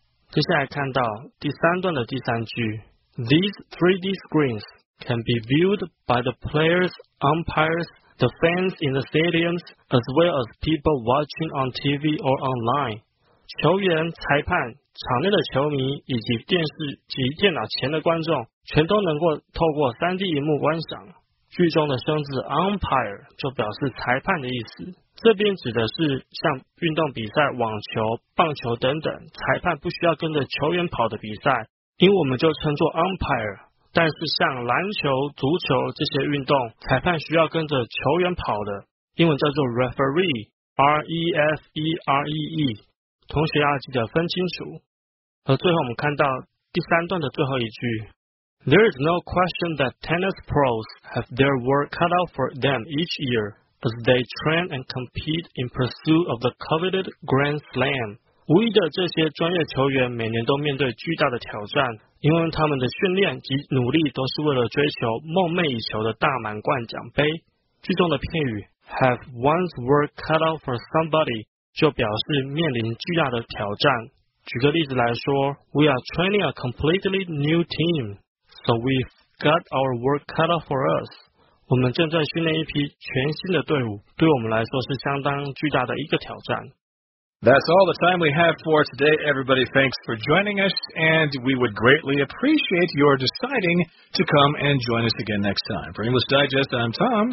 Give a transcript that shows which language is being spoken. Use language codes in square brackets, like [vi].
[zh] 接下来看到第三段的第三句， [en] These 3D screens can be viewed by the players, umpires, the fans in the stadiums as well as people watching on TV or online。 [zh] 球员、裁判、场内的球迷以及电视及电脑前的观众全都能够透过 3D 荧幕观赏。句中的生字 umpire 就表示裁判的意思，这边指的是像运动比赛、网球、棒球等等，裁判不需要跟着球员跑的比赛，因为我们就称作 umpire。但是像篮球、足球这些运动，裁判需要跟着球员跑的，英文叫做 referee， R-E-F-E-R-E-E， 同学要记得分清楚。而最后我们看到第三段的最后一句， [en] There is no question that tennis pros have their work cut out for them each year as they train and compete in pursuit of the coveted Grand Slam. [zh] 无疑的，这些专业球员每年都面对巨大的挑战，因为他们的训练及努力都是为了追求梦寐以求的大满贯奖杯。句中的片语 [en] have one's work cut out for somebody [zh] 就表示面临巨大的挑战。举个例子来说， [en] We are training a completely new team. So we've got our work cut out for us. [zh] 我们正在训练一批全新的队伍，对我们来说是相当巨大的一个挑战。 [en] That's all the time we have for today. Everybody, thanks for joining us, and we would greatly appreciate your deciding to come and join us again next time. For English Digest, I'm Tom.